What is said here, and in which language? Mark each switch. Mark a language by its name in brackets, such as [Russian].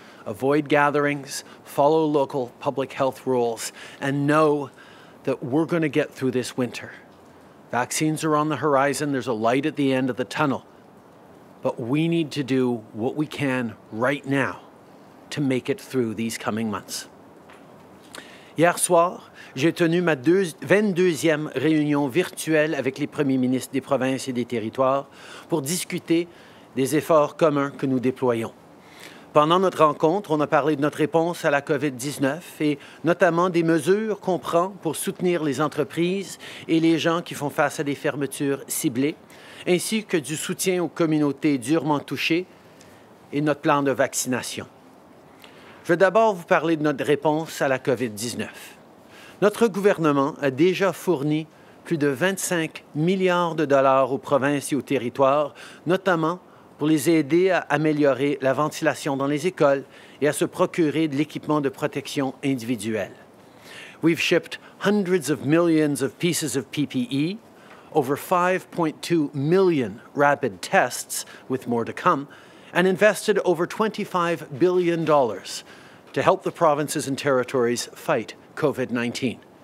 [English] Avoid gatherings, follow local public health rules, and know that we're going to get through this winter. Vaccines are on the horizon. There's a light at the end of the tunnel. But we need to do what we can right now to make it through these coming months. [French] Hier soir, j'ai tenu ma 22e réunion virtuelle avec les premiers ministres des provinces et des territoires pour discuter des efforts communs que nous déployons. Pendant notre rencontre, on a parlé de notre réponse à la COVID-19 et notamment des mesures qu'on prend pour soutenir les entreprises et les gens qui font face à des fermetures ciblées, ainsi que du soutien aux communautés durement touchées et notre plan de vaccination. Je veux d'abord vous parler de notre réponse à la COVID-19. Notre gouvernement a déjà fourni plus de 25 milliards de dollars aux provinces et aux territoires, notamment pour les aider à améliorer la ventilation dans les écoles et à se procurer de l'équipement de protection individuelle. [English] We've shipped hundreds of millions of pieces of PPE, over 5.2 million rapid tests, with more to come, and invested over $25 billion to help the provinces and territories fight COVID-19.